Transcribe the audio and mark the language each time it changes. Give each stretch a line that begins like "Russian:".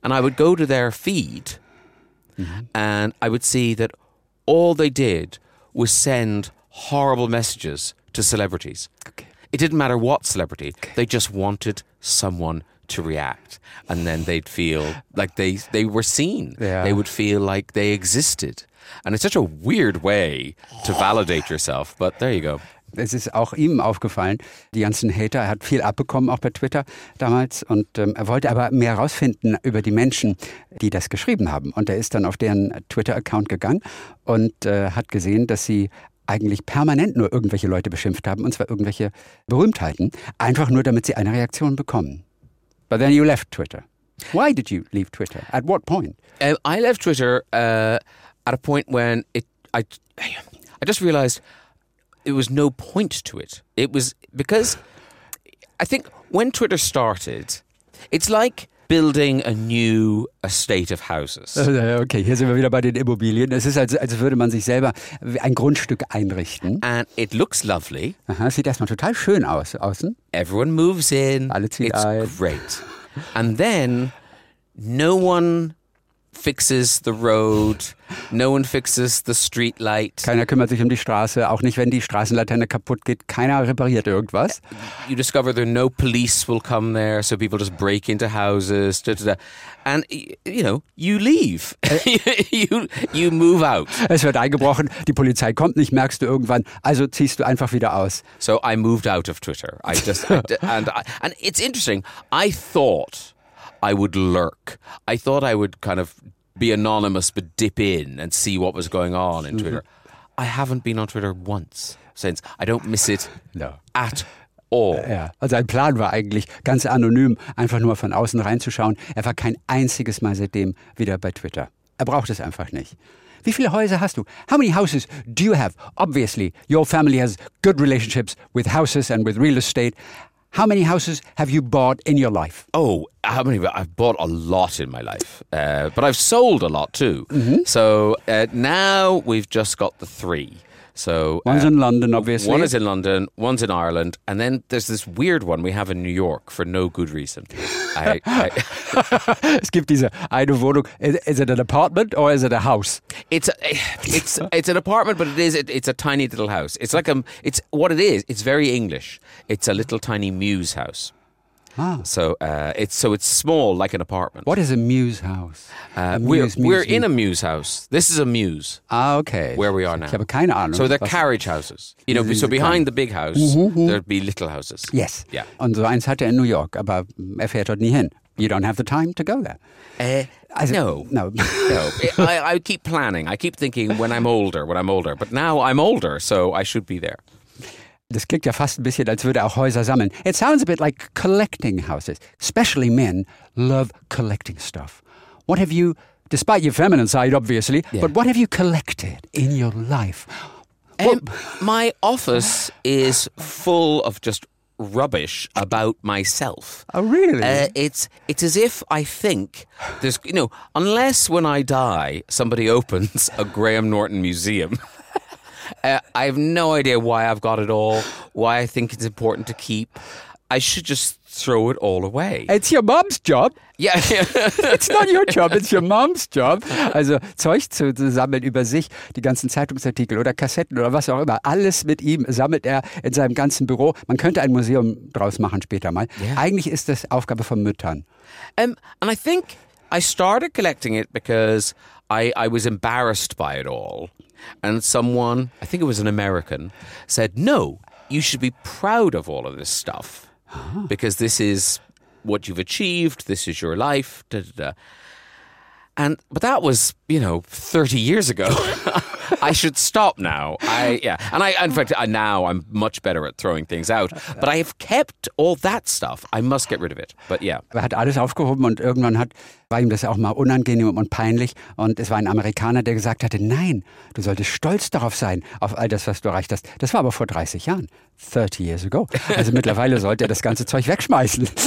English: And I would go to their feed, and I would see that all they did was send horrible messages to celebrities. Okay. It didn't matter what celebrity. Okay. They just wanted someone to react. And then they'd feel like they were seen. Yeah. They would feel like they existed. And it's such a weird way to validate yourself. But there you go.
German: Es ist auch ihm aufgefallen, die ganzen Hater. Er hat viel abbekommen, auch bei Twitter damals. Und er wollte aber mehr herausfinden über die Menschen, die das geschrieben haben. Und er ist dann auf deren Twitter-Account gegangen und hat gesehen, dass sie eigentlich permanent nur irgendwelche Leute beschimpft haben, und zwar irgendwelche Berühmtheiten, einfach nur, damit sie eine Reaktion bekommen.
English: But then you left Twitter. Why did you leave Twitter? At what point? I left Twitter at a point when I just realized it was no point to it. It was because I think when Twitter started, it's like building a new estate of houses.
German: Okay, hier sind wir wieder bei den Immobilien. Es ist, als würde man sich selber ein Grundstück einrichten.
English: And it looks lovely.
German: Aha, sieht erstmal total schön aus, außen.
English: Everyone moves in.
German: Alle ziehen
English: it's
German: ein.
English: Great. And then no one fixes the road. No one fixes the street light.
German: Keiner kümmert sich um die Straße, auch nicht, wenn die Straßenlaterne kaputt geht. Keiner repariert irgendwas.
English: You discover that no police will come there, so people just break into houses. Da, da, da. And, you know, you leave. you move out.
German: Es wird eingebrochen, die Polizei kommt nicht, merkst du irgendwann, also ziehst du einfach wieder aus.
English: So I moved out of Twitter. And it's interesting, I thought I would lurk. I thought I would kind of be anonymous, but dip in and see what was going on in Twitter. I haven't been on Twitter once since. I don't miss it at all.
German: Ja. Also sein Plan war eigentlich, ganz anonym, einfach nur von außen reinzuschauen. Er war kein einziges Mal seitdem wieder bei Twitter. Er braucht es einfach nicht. Wie viele Häuser hast du?
English: How many houses do you have? Obviously, your family has good relationships with houses and with real estate. How many houses have you bought in your life? Oh, how many? I've bought a lot in my life, but I've sold a lot too. Mm-hmm. So now we've just got the three. So one's in London, obviously. One is in London, one's in Ireland, and then there's this weird one we have in New York for no good reason.
German: Es gibt diese eine Wohnung.
English: Is it an apartment or is it a house? It's an apartment, but it's a tiny little house. It's like it's what it is. It's very English. It's a little tiny Mews house. So it's small, like an apartment. What is a Mews house? We're in a Mews house. This is a Mews. Ah, okay. Where we are now.
German: Ich habe keine Ahnung.
English: So they're carriage houses. You know, so behind the big house, there'd be little houses. Yes. Yeah.
German: Und so eins hatte er in New York, aber fährt dort nie hin.
English: You don't have the time to go there. No. I keep planning. I keep thinking when I'm older. But now I'm older, so I should be there.
German: Das klingt ja fast ein bisschen, als würde er auch Häuser sammeln.
English: It sounds a bit like collecting houses. Especially men love collecting stuff. What have you, despite your feminine side, obviously, but what have you collected in your life? My office is full of just rubbish about myself. Oh, really? It's as if I think there's, you know, unless when I die somebody opens a Graham Norton museum. I have no idea why I've got it all, why I think it's important to keep. I should just throw it all away. It's your mom's job. Yeah. It's not your job, it's your mom's job.
German: Also Zeug zu sammeln über sich, die ganzen Zeitungsartikel oder Kassetten oder was auch immer. Alles mit ihm sammelt er in seinem ganzen Büro. Man könnte ein Museum draus machen später mal.
English: Yeah.
German: Eigentlich ist das Aufgabe von Müttern.
English: And I think I started collecting it because I was embarrassed by it all. And someone, I think it was an American, said, no, you should be proud of all of this stuff because this is what you've achieved. This is your life. Da, da, da. But that was, you know, 30 years ago. I should stop now. In fact, now I'm much better at throwing things out. But I have kept all that stuff. I must get rid of it. But yeah.
German: Er hat alles aufgehoben und irgendwann war ihm das auch mal unangenehm und peinlich. Und es war ein Amerikaner, der gesagt hatte, nein, du solltest stolz darauf sein, auf all das, was du erreicht hast. Das war aber vor 30 Jahren.
English: 30 years ago.
German: Also mittlerweile sollte er das ganze Zeug wegschmeißen.